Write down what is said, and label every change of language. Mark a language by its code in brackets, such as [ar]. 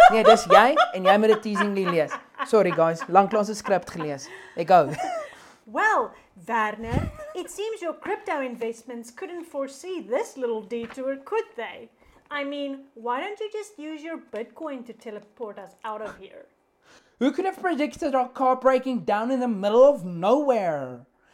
[af] Nee, dis jy en jy moet dit teasingly lees. [en] Sorry guys, [af] langklaas een script gelees. Ek go. [en] Well, Werner, it seems your crypto investments couldn't foresee this little detour, could they? I mean, why don't you just use your Bitcoin to teleport us out of here? Who could have predicted our car breaking down in the middle of nowhere?